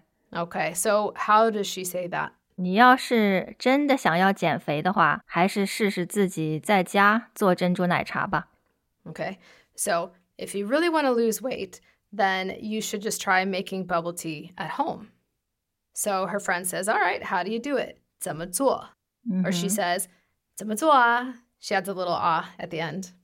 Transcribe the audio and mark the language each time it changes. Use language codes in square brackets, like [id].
[en] Okay, so how does she say that? [zh] 你要是真的想要减肥的话，还是试试自己在家做珍珠奶茶吧. [en] Okay, so if you really want to lose weight, then you should just try making bubble tea at home. So her friend says, all right, how do you do it? [zh] 怎么做?Mm-hmm. [en] Or she says, [zh] 怎么做啊? [en] She adds a little ah at the end.